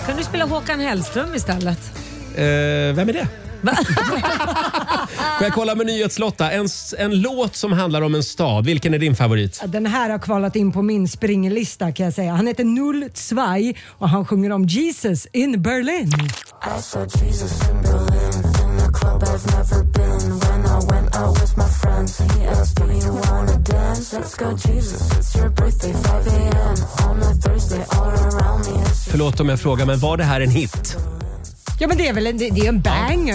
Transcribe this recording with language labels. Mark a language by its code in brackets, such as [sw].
[sv] Kan du spela Håkan Hellström istället? Vem är det? Får jag kolla med nyhetslotta? En låt som handlar om en stad. Vilken är din favorit? Den här har kvalat in på min springlista kan jag säga. Han heter Null Zweig och han sjunger om Jesus in Berlin. [en] I saw Jesus in Berlin, in a club I've never been. When I went out with my friends, he asked, do you wanna dance? Let's go Jesus, it's your birthday, 5 a.m. On a Thursday all around me. [sv] Förlåt om jag frågar, men var det här en hit? Ja, men det är väl en, det är en banger.